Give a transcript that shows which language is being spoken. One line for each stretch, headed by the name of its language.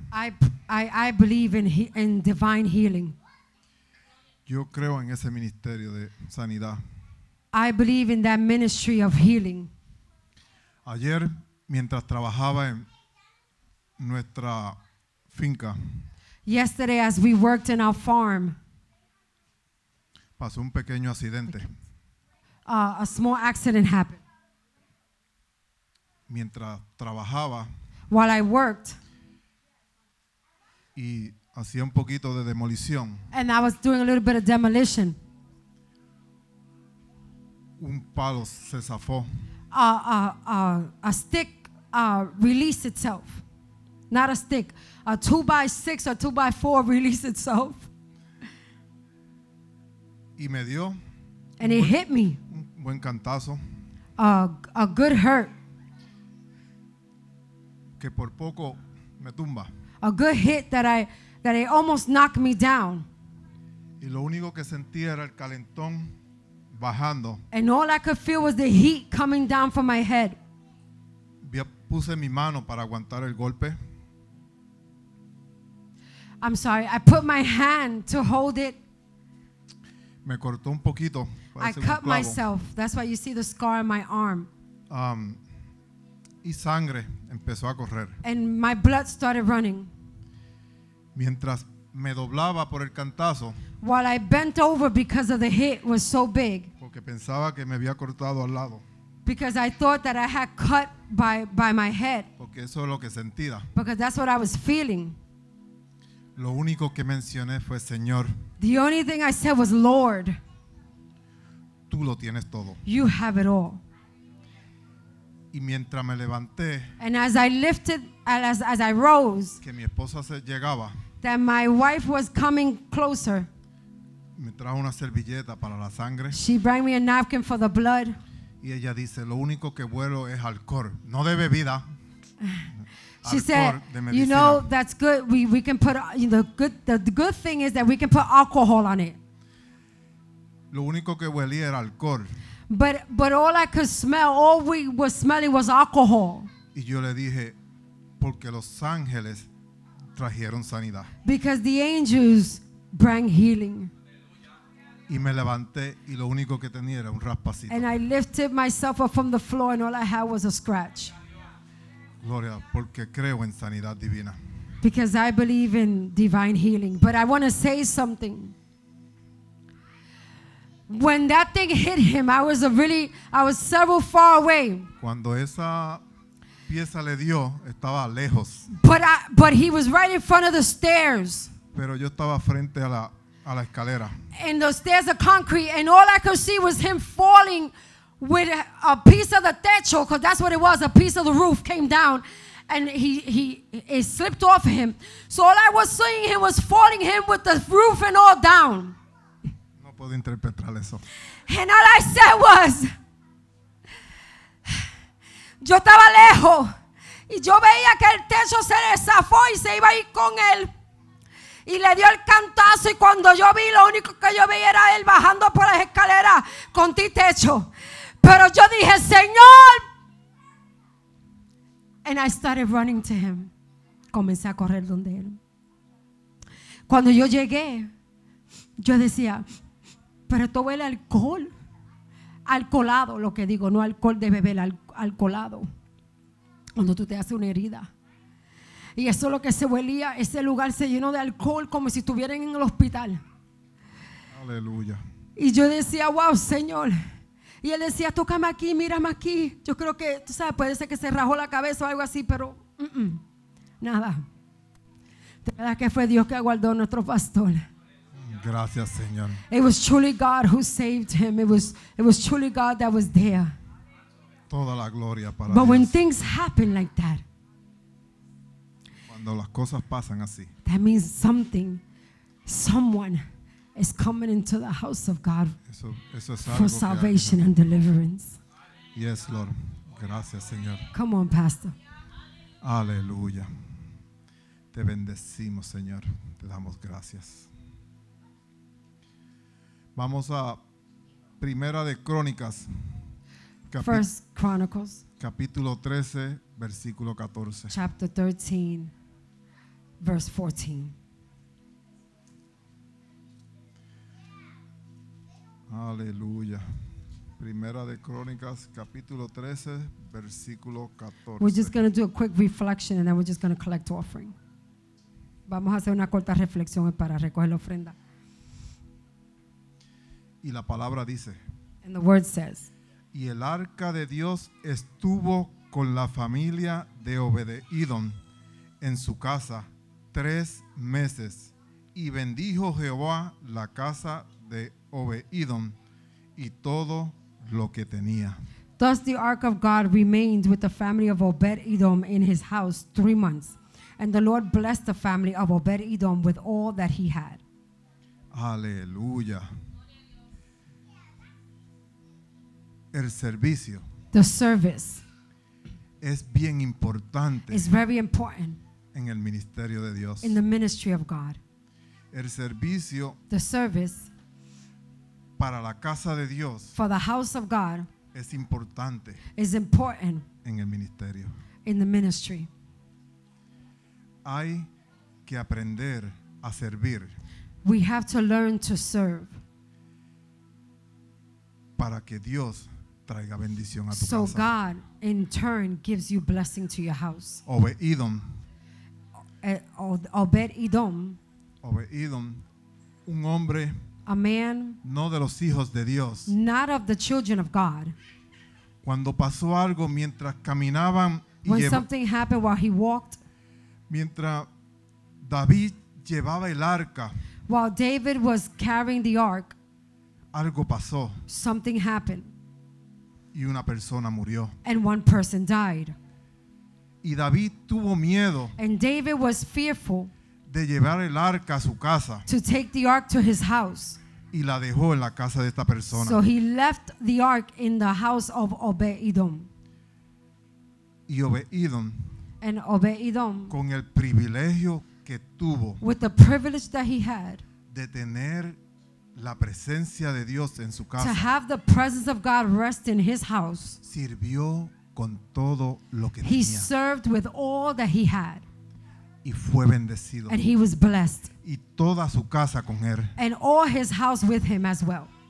English: I believe in divine healing.
Spanish: Yo creo en ese ministerio de sanidad.
English: I believe in that ministry of healing.
Spanish: Ayer, mientras trabajaba en nuestra finca,
English: yesterday, as we worked in our farm,
Spanish: pasó un pequeño accidente.
English: A small accident happened.
Spanish: Mientras trabajaba,
English: while I worked,
Spanish: y hacía un poquito de demolición,
English: and I was doing a little bit of demolition,
Spanish: un palo se zafó.
English: A stick released itself. Not a stick. A 2x6 or 2x4 released itself.
Spanish: Y me dio.
English: And it hit me.
Spanish: Un buen cantazo.
English: A good hurt.
Spanish: Que por poco me tumba.
English: A good hit that it almost knocked me down.
Spanish: Y lo único que sentí era el calentón bajando.
English: And all I could feel was the heat coming down from my head.
Spanish: Puse mi mano para aguantar el golpe.
English: I'm sorry, I put my hand to hold it.
Spanish: Me cortó un poquito.
English: I cut myself. That's why you see the scar on my arm.
Spanish: Y sangre empezó a correr.
English: And my blood started running.
Spanish: Mientras me doblaba por el cantazo,
English: while I bent over because of the hit was so big,
Spanish: porque pensaba que me había cortado al lado,
English: because I thought that I had cut by my head,
Spanish: porque eso es lo que sentía,
English: because that's what I was feeling.
Spanish: Lo único que mencioné fue Señor.
English: The only thing I said was Lord.
Spanish: Tú lo tienes todo.
English: You have it all.
Spanish: Y mientras me levanté,
English: and as I lifted, as I rose,
Spanish: que mi esposa se llegaba,
English: that my wife was coming closer,
Spanish: me trajo una servilleta para la sangre.
English: She brought me a napkin for the blood.
Spanish: Y ella dice, lo único que vuelo es alcohol, no de bebida.
English: She said, you know, that's good. We can put, you know, the good thing is that we can put alcohol on it.
Spanish: Lo único que huelí era alcohol.
English: But all I could smell, all we were smelling was alcohol.
Spanish: Y yo le dije, porque los ángeles trajeron sanidad.
English: Because the angels bring healing.
Spanish: Y me levanté y lo único que tenía era un raspacito.
English: And I lifted myself up from the floor and all I had was a scratch.
Spanish: Gloria, porque creo en sanidad divina.
English: Because I believe in divine healing. But I want to say something. When that thing hit him, I was several far away.
Spanish: Cuando esa pieza le dio, estaba lejos.
English: But he was right in front of the stairs.
Spanish: Pero yo estaba frente a la escalera.
English: And the stairs are concrete, and all I could see was him falling with a piece of the techo, because that's what it was, a piece of the roof came down, and he it slipped off him. So all I was seeing him was falling him with the roof and all down.
Spanish: No puedo interpretar eso.
English: And all I said was,
Spanish: yo estaba lejos, y yo veía que el techo se desafó y se iba a ir con él. Y le dio el cantazo y cuando yo vi, lo único que yo vi era él bajando por las escaleras con ti techo. Pero yo dije, Señor.
English: And I started running to him.
Spanish: Comencé a correr donde él. Cuando yo llegué, yo decía, pero esto huele a alcohol. Alcoholado, lo que digo, no alcohol de beber, alcoholado. Cuando tú te haces una herida. Y eso es lo que se huelía, ese lugar se llenó de alcohol como si estuvieran en el hospital. Aleluya. Y yo decía, wow, Señor. Y él decía, tócame aquí, mírame aquí. Yo creo que, tú sabes, puede ser que se rajó la cabeza o algo así, pero nada. De verdad que fue Dios que aguardó a nuestro pastor. Gracias, Señor.
English: It was truly God who saved him. It was truly God that was there.
Spanish: Toda la gloria para Dios.
English: But when things happen like that,
Spanish: cuando las cosas pasan así,
English: that means something, someone is coming into the house of God for salvation and deliverance. Yes, Lord.
Spanish: Gracias, Señor.
English: Come on, Pastor.
Spanish: Aleluya. Te bendecimos, Señor. Te damos gracias. Vamos a Primera de Crónicas.
English: First Chronicles.
Spanish: Capítulo 13, versículo 14.
English: Chapter 13, verse 14.
Spanish: Aleluya. Primera de Crónicas, capítulo 13, versículo 14.
English: We're just going to do a quick reflection and then we're just going to collect the offering.
Spanish: Vamos a hacer una corta reflexión para recoger la ofrenda. Y la palabra dice.
English: And the word says.
Spanish: Y el arca de Dios estuvo con la familia de Obed-Edom en su casa 3 meses. Y bendijo Jehová la casa de Obed-Edom y todo lo que tenía.
English: Thus the ark of God remained with the family of Obed-Edom in his house 3 months. And the Lord blessed the family of Obed-Edom with all that he had.
Spanish: Aleluya. El servicio.
English: The service.
Spanish: Es bien importante.
English: It's very important.
Spanish: En el ministerio de Dios.
English: In the ministry of God.
Spanish: El servicio.
English: The service.
Spanish: Para la casa de Dios.
English: For the house of God.
Spanish: Es importante.
English: Is important.
Spanish: En el ministerio.
English: In the ministry.
Spanish: Hay que aprender a servir.
English: We have to learn to serve.
Spanish: Para que Dios traiga bendición a tu
English: so
Spanish: casa.
English: So God in turn gives you blessing to your house. Obed-Edom. Obed-Edom.
Spanish: Obed-Edom, un hombre.
English: A man.
Spanish: No de los hijos de Dios.
English: Not of the children of God.
Spanish: Cuando pasó algo mientras caminaban.
English: When something happened while he walked.
Spanish: Mientras David llevaba el arca.
English: While David was carrying the ark.
Spanish: Algo pasó.
English: Something happened.
Spanish: Y una persona murió.
English: And one person died.
Spanish: Y David tuvo miedo.
English: And David was fearful.
Spanish: De llevar el arca a su casa.
English: To take the ark to his house.
Spanish: Y la dejó en la casa de esta persona.
English: So he left the ark in the house of Obed-Edom.
Spanish: Y Obed-Edom.
English: And Obed-Edom,
Spanish: con el privilegio que tuvo,
English: with the privilege that he had,
Spanish: de tener la presencia de Dios en su casa,
English: to have the presence of God rest in his house,
Spanish: sirvió con todo lo que
English: he
Spanish: tenía.
English: Served with all that he had,
Spanish: y fue bendecido,
English: and he was blessed,
Spanish: y toda su casa con él,
English: and all his house with him as well,